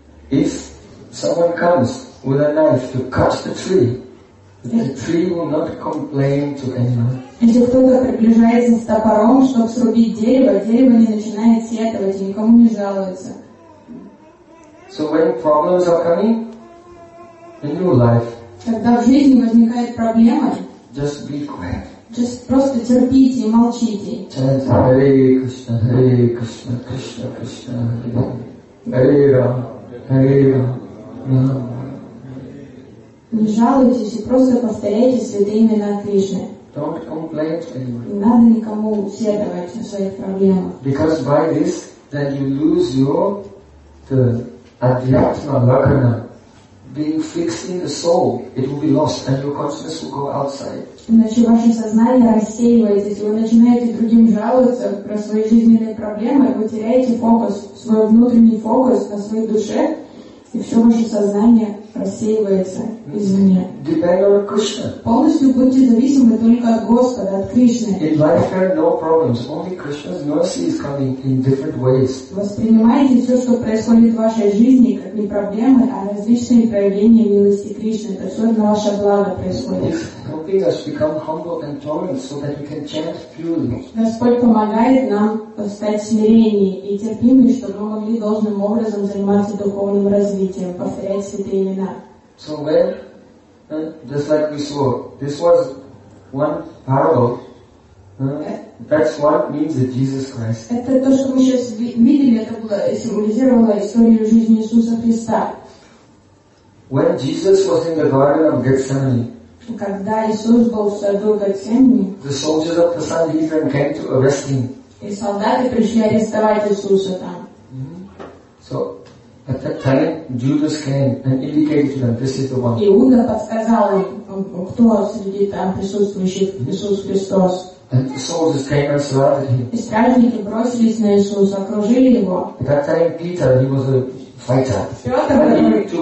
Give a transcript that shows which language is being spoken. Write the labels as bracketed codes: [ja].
[en] If someone comes with a knife to cut the tree, the tree will not complain to anyone. [ru] Если кто-то приближается с топором, чтобы срубить дерево, дерево не начинает сетовать и никому не жалуется. [en] So when problems are coming in your life, [ru] когда в жизни возникает проблема, [en] just be quiet. Just [ru] просто терпите и молчите. [en] Chant Hare Krishna, Hare Krishna, Krishna Krishna, Hare Rama, Hare Rama. [ru] Не жалуйтесь и просто повторяйте святые имена Кришны. [en] Don't complain to anyone. [ru] Не надо никому сетовать на своих проблемах. [en] Because by this, then you lose your the adhyatma lakana, being fixed in the soul, it will be lost, and your consciousness will go outside. [ru] Иначе ваше сознание рассеивается, вы начинаете другим жаловаться про свои жизненные проблемы, вы теряете фокус, свой внутренний фокус на своей душе, и все ваше сознание рассеивается извне. [en] Depend on Krishna. [ru] Полностью будьте зависимы только от Господа, от Кришны. [en] In life there are no problems. Only Krishna's mercy is coming in different ways. [ru] Воспринимайте все, что происходит в вашей жизни, как не проблемы, а различные проявления милости Кришны. Это все на ваше благо происходит. [en] Helping us become humble and tolerant so that we can chant purely. [ru] Господь помогает нам стать смиренней и терпимой, чтобы мы могли должным образом заниматься духовным развитием, повторять святые имена. [en] So when, just like we saw, this was one parable. That's what means that Jesus Christ. [ru] Это то, что мы сейчас видели, это было символизировало историю жизни Иисуса Христа. [en] When Jesus was in the Garden of Gethsemane. [ru] Когда Иисус был в саду Гефсимани, [en] the soldiers of the Sanhedrin came to arrest him. [ru] И солдаты пришли арестовать Иисуса там. [en] So at that time Judas came and indicated to them, this is the one. [ru] Иуда подсказал им, кто среди там присутствующих Иисус Христос. [en] And the soldiers came and surrounded him. [ru] И стражники бросились на Иисуса, окружили его. [en] At that time Peter, he was a fighter.